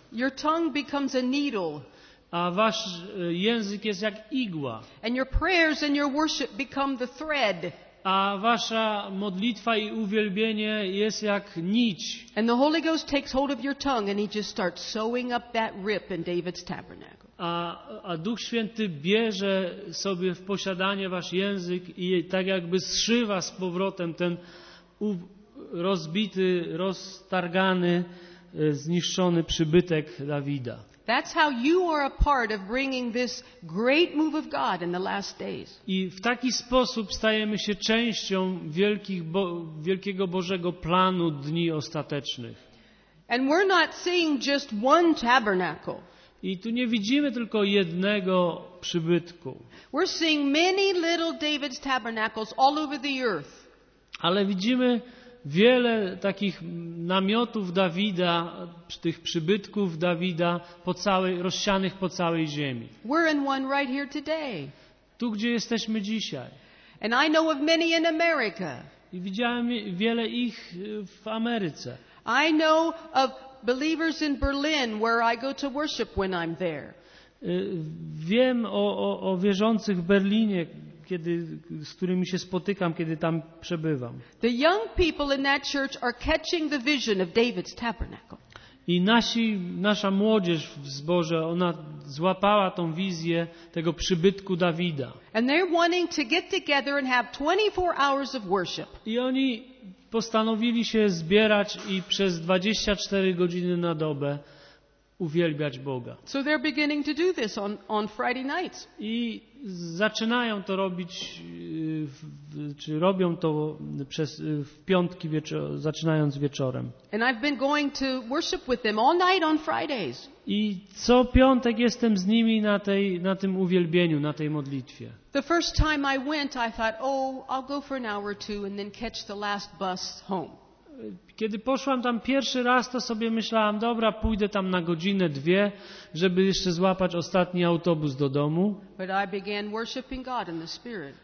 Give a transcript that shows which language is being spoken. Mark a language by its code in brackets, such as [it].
[en] Your tongue becomes a needle. [pl] A wasz język jest jak igła. [en] And your prayers and your worship become the thread. [pl] a wasza modlitwa i uwielbienie jest jak nić. [en] And the Holy Ghost takes hold of your tongue and he just starts sewing up that rip in David's tabernacle. [pl] A Duch Święty bierze sobie w posiadanie wasz język i tak jakby zszywa z powrotem ten rozbity, roztargany, zniszczony przybytek Dawida. [en] That's how you are a part of bringing this great move of God in the last days. [pl] I w taki sposób stajemy się częścią wielkiego Bożego planu dni ostatecznych. [en] And we're not seeing just one tabernacle. [pl] I tu nie widzimy tylko jednego przybytku. [en] We're seeing many little David's tabernacles all over the earth. [pl] Ale widzimy wiele takich namiotów Dawida, tych przybytków Dawida rozsianych po całej ziemi. [en] We're in one right here today. [pl] Tu, gdzie jesteśmy dzisiaj. [en] And I know of many in America. [pl] I widziałem wiele ich w Ameryce. [en] I know of believers in Berlin, where I go to worship when I'm there. [pl] Wiem o wierzących w Berlinie, z którymi się spotykam, kiedy tam przebywam. [en] The young people in that church are catching the vision of David's tabernacle. [pl] I nasza młodzież w zborze, ona złapała tą wizję tego przybytku Dawida. [en] And they're wanting to get together and have 24 hours of worship. [pl] I oni postanowili się zbierać i przez 24 godziny na dobę uwielbiać Boga. [en] So they're beginning to do this on Friday nights. [pl] I zaczynają to robić, czy robią to w piątki zaczynając wieczorem. [en] And I've been going to worship with them all night on Fridays. [pl] I co piątek jestem z nimi na tym uwielbieniu, na tej modlitwie. [en] The first time I went, I thought, oh, I'll go for an hour or two and then catch the last bus home. [pl] Kiedy poszłam tam pierwszy raz, to sobie myślałam, dobra, pójdę tam na godzinę, dwie, żeby jeszcze złapać ostatni autobus do domu. [en] But I began worshiping God in the Spirit.